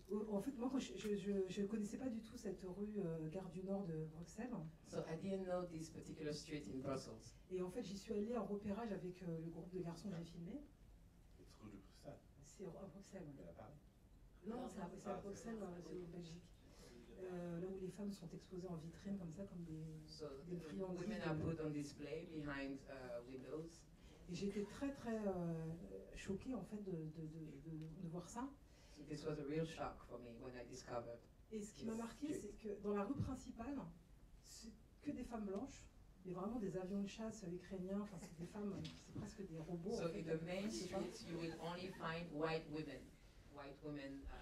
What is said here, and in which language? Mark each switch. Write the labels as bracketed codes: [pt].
[fr] En fait, moi, je ne connaissais pas du tout cette rue Gare du Nord de Bruxelles. [en] So I didn't know this particular street in Brussels. [fr] Et en fait, j'y suis allée en repérage avec le groupe de garçons que j'ai filmé. C'est rue de Bruxelles. C'est à Bruxelles. Oui. Non, c'est à Bruxelles, c'est en Belgique. Là où les femmes sont exposées en vitrine, comme ça, comme des friandises. [en] Women are put on display behind windows. [fr] Et j'étais très très choquée en fait de voir ça. [en] This was a real shock for me when I discovered. [fr] Et ce qui m'a marqué, c'est que dans la rue principale, c'est que des femmes blanches, mais vraiment des avions de chasse ukrainiens. Enfin, c'est des femmes, c'est presque des robots. [en] So in the main streets, you will only find white women. White women.